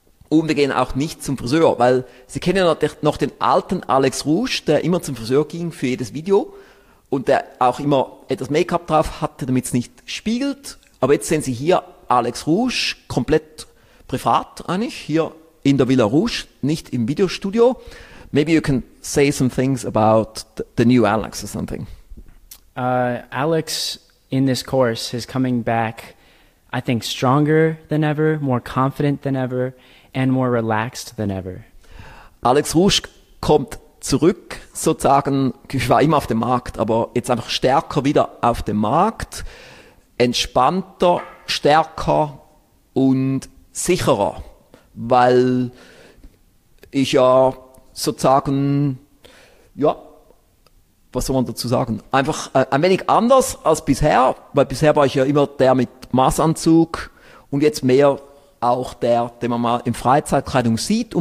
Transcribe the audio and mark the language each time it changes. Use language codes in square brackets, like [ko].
[de] Und wir gehen auch nicht zum Friseur. Weil Sie kennen ja noch den alten Alex Rusch, der immer zum Friseur ging für jedes Video. Und der auch immer etwas Make-up drauf hatte, damit es nicht spiegelt. Aber jetzt sehen Sie hier Alex Rusch, komplett privat eigentlich, hier in der Villa Rusch, nicht im Videostudio. [en] Maybe you can say some things about the new Alex or something. Alex, in this course, is coming back, I think, stronger than ever, more confident than ever, and more relaxed than ever. [de] Alex Rusch kommt zurück, sozusagen, ich war immer auf dem Markt, aber jetzt einfach stärker wieder auf dem Markt, entspannter, stärker und sicherer, weil ich ja sozusagen, ja, was soll man dazu sagen, einfach ein wenig anders als bisher, weil bisher war ich ja immer der mit Maßanzug und jetzt mehr auch der, den man mal in Freizeitkleidung sieht.